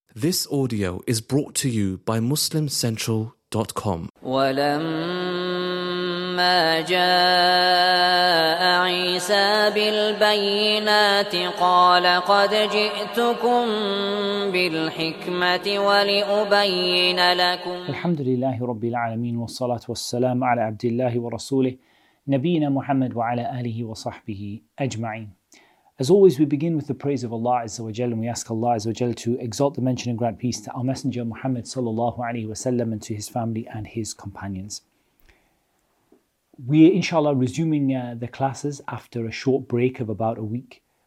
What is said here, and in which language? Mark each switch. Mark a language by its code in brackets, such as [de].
[en] This audio is brought to you by MuslimCentral.com. [ar] ولما جاء عيسى بالبينات قال قد جئتكم بالحكمة ولأبين لكم. الحمد لله رب العالمين والصلاة والسلام على عبد الله ورسوله نبينا محمد وعلى آله وصحبه أجمعين. [en] As always, we begin with the praise of Allah Azza wa Jal, and we ask Allah Azza wa Jal to exalt the mention and grant peace to our Messenger Muhammad sallallahu alaihi wasallam and to his family and his companions. We are inshallah resuming the classes after a short break of about a week.